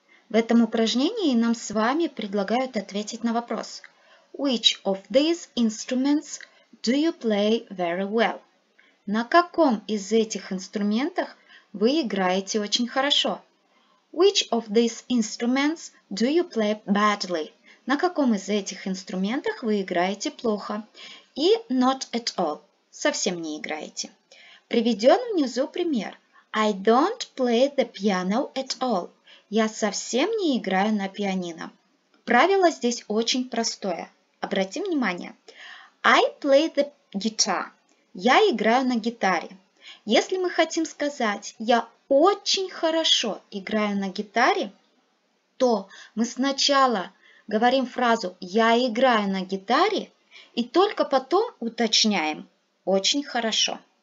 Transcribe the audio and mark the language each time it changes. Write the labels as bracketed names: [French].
[Russian] В этом упражнении нам с вами предлагают ответить на вопрос. [English] Which of these instruments do you play very well? [Russian] На каком из этих инструментов вы играете очень хорошо? [English] Which of these instruments do you play badly? [Russian] На каком из этих инструментов вы играете плохо? И [English] not at all. [Russian] Совсем не играете. Приведен внизу пример. [English] I don't play the piano at all. [Russian] Я совсем не играю на пианино. Правило здесь очень простое. Обратим внимание. [English] I play the guitar. [Russian] Я играю на гитаре. Если мы хотим сказать «я очень хорошо играю на гитаре», то мы сначала говорим фразу «я играю на гитаре» и только потом уточняем «очень хорошо».